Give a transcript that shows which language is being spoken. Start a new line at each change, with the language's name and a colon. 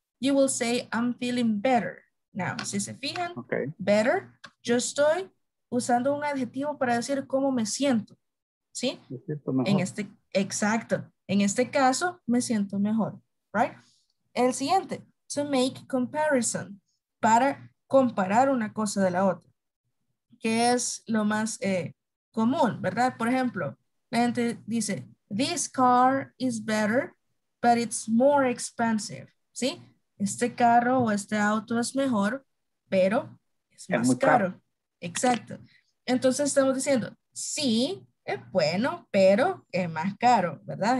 English: You will say, I'm feeling better. Now,
Spanish: si se fijan, better, yo estoy usando un adjetivo para decir cómo me siento. ¿Sí? Me siento mejor. Exacto. En este caso, me siento mejor. Right? El siguiente, to make comparison, para comparar una cosa de la otra, que es lo más común, ¿verdad? Por ejemplo, la gente dice,
English: this car is better, but it's more expensive.
Spanish: ¿Sí? Este carro o este auto es mejor, pero es más caro. Exacto. Entonces estamos diciendo, sí, es bueno, pero es más caro, ¿verdad?